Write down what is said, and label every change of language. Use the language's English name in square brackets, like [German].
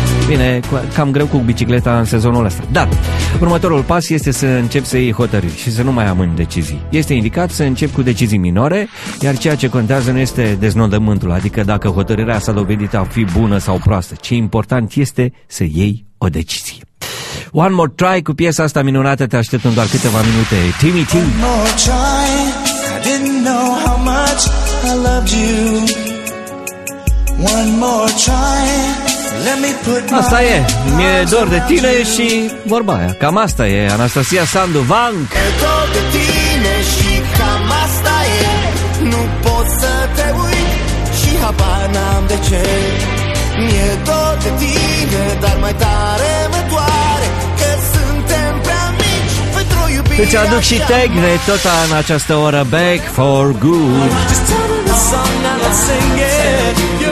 [Romanian] Bine, cam greu cu bicicleta în sezonul ăsta. Dar următorul pas este să începi să iei hotărâri și să nu mai amâni decizii. Este indicat să începi cu decizii minore, iar ceea ce contează nu este deznodământul, adică dacă hotărârea s-a dovedit a fi bună sau proastă. Ce important este să iei o decizie. One More Try cu piesa asta minunată, te aștept în doar câteva minute. Timmy T. [English] One more try, I didn't know how much I loved you. One more try. [Romanian] Asta e, mi-e dor de tine și vorba aia. Cam asta e, Anastasia Sandu, Vank. E dor de tine și cam asta e. Nu pot să te uit și habar n-am de ce. Mi-e dor de tine, dar mai tare mă doare că suntem prea mici pentru iubirea. Îți aduc și Tegne tot în această oră, Back for Good. [English] Just turn on the song and I'll sing it.